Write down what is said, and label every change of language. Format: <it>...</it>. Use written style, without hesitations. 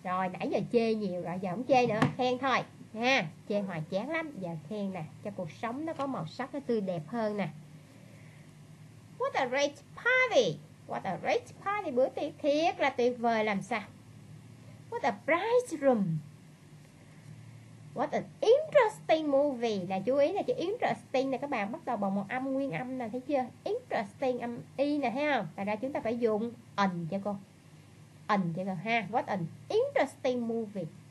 <vi>Rồi, nãy giờ chê nhiều rồi, giờ không chê nữa, khen thôi ha. Chê hoài chán lắm, giờ khen nè. Cho cuộc sống nó có màu sắc, nó tươi đẹp hơn nè.</vi> <en>What a great party. What a great party.</en> <vi>Bữa tiệc thiệt là tuyệt vời làm sao.</vi> <en>What a bright room. What an interesting movie.</en> <vi>Là chú ý là chữ interesting nè các bạn, bắt đầu bằng một âm nguyên âm nè, thấy chưa? Interesting âm y nè, thấy không? Tại ra chúng ta phải dùng an cho cô. An cho cô ha.</vi> <en>What an interesting movie.</en>